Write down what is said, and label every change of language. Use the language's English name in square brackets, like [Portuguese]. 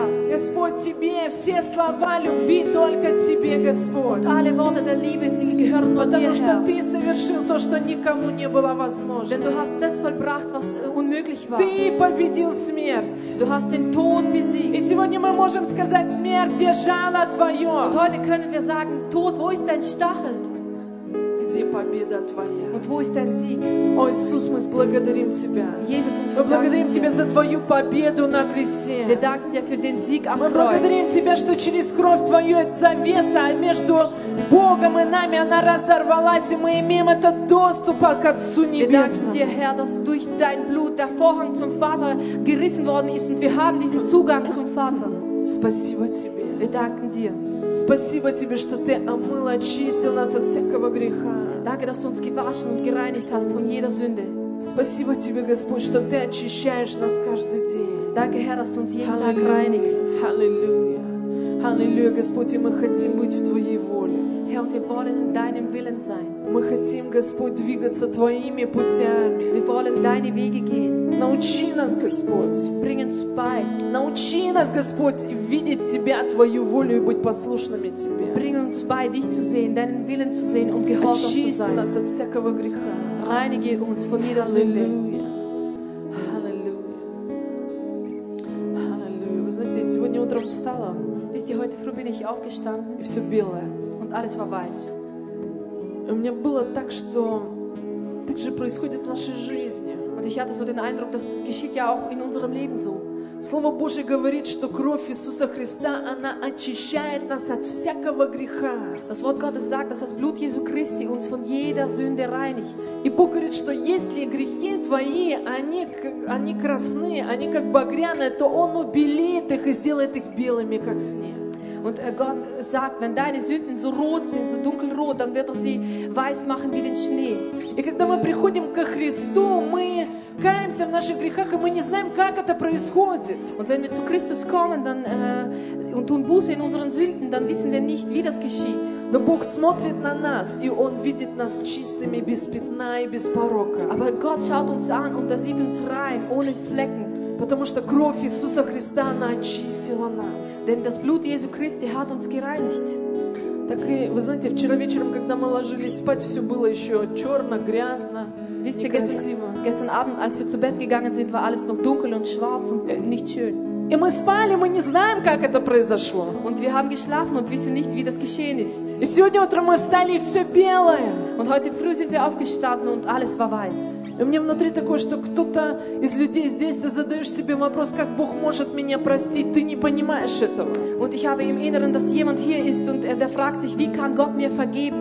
[Russian] Господь, Тебе все слова любви, только Тебе, Господь. Потому что Ты совершил то, что никому не было возможно. Ты победил смерть. И сегодня мы можем сказать: смерть, где жало Твое? [German] Und heute können wir sagen: Tod, wo ist dein Stachel? [Russian] Где победа Твоя? [German] Und wo ist dein Sieg? [Russian] О, Иисус, мы благодарим Тебя. [German] Jesus, und wir [Russian] благодарим Тебя за Твою победу на кресте. [German] Wir danken dir für den Sieg am Kreuz. [Russian] Мы благодарим Тебя, что через кровь Твою завеса между Богом и нами она разорвалась, и мы имеем этот доступ к Отцу Небесному. [German] Wir danken dir, Herr, dass durch dein Blut der Vorhang zum Vater gerissen worden ist und wir haben diesen Zugang zum Vater. [Russian] Спасибо Тебе. [German] Wir danken dir. [Russian] Спасибо Тебе, что Ты омыл, очистил нас от всякого греха. [German] Danke, dass du uns gewaschen und gereinigt hast von jeder Sünde. [Russian] Спасибо Тебе, Господь, что Ты очищаешь нас каждый день. [German] Danke, Herr, dass du uns jeden Tag reinigst. Halleluja. [Russian] Halleluja, Господь, и мы хотим быть в Твоей воле. [German] Herr, und wir wollen in deinem Willen sein. [Russian] Мы хотим, Господь, двигаться Твоими путями. [German] Wir wollen deine Wege gehen. [Russian] Научи нас, Господь. [German] Bring uns bei. [Russian] Научи нас, Господь, видеть Тебя, Твою волю и быть послушными Тебе. [German] Bring uns bei, dich zu sehen, deinen Willen zu sehen und gehorsam zu sein. [Russian] Очисти нас от всякого греха. [German] Reinige uns von jeder Sünde. Halleluja. Halleluja. Halleluja. [Russian] Вы знаете, я сегодня утром встала. [German] Wisst ihr, heute früh bin ich aufgestanden. [Russian] И все белое. [German] Und alles war weiß. [Russian] У меня было так, что так же происходит в нашей жизни. [German] Und ich hatte so den Eindruck, das geschieht ja auch in unserem Leben so. [Russian] Слово Божье говорит, что кровь Иисуса Христа, она очищает нас от всякого греха. [German] Das Wort Gottes sagt, dass das Blut Jesu Christi uns von jeder Sünde reinigt. [Russian] И Бог говорит, что если грехи твои, они красные, они как багряные, то Он убелит их и сделает их белыми, как снег. [German] Und Gott sagt, wenn deine Sünden so rot sind, so dunkelrot, dann wird er sie weiß machen wie den Schnee. [Russian] И когда мы приходим ко Христу, мы каемся в наших грехах, и мы не знаем, как это происходит. [German] Und wenn wir zu Christus kommen, dann und tun Buße in unseren Sünden, dann wissen wir nicht, wie das geschieht. [Russian] Но Бог смотрит на нас, и Он видит нас чистыми, без пятна и без порока. [German] Aber Gott schaut uns an und er sieht uns rein, ohne Flecken. [Russian] Потому что кровь Иисуса Христа, она очистила нас. [German] Denn das Blut Jesu Christi hat uns gereinigt. [Russian] Так и, вы знаете, вчера вечером, когда мы ложились спать, все было еще черно, грязно, [German] wisst [Russian] некрасиво. [German] Gestern Abend, als wir zu Bett gegangen sind, war alles noch dunkel und schwarz und nicht schön. [Russian] И мы спали, мы не знаем, как это произошло. [German] Und wir haben geschlafen und wissen nicht, wie das geschehen ist. [Russian] И сегодня утром мы встали, и все белое. [German] Und heute früh sind wir aufgestanden und alles war weiß. [Russian] И у меня внутри такое, что кто-то из людей здесь, ты задаешь себе вопрос, как Бог может меня простить, ты не понимаешь этого. [German] Und ich habe im Inneren, dass jemand hier ist und der fragt sich, wie kann Gott mir vergeben?